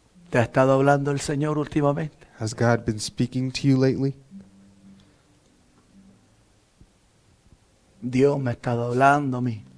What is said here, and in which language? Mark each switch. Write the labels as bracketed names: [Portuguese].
[Spanish] ¿Te ha estado hablando el Señor últimamente? [English] Has God been speaking to you lately? [Spanish] Dios me ha estado hablando a mí.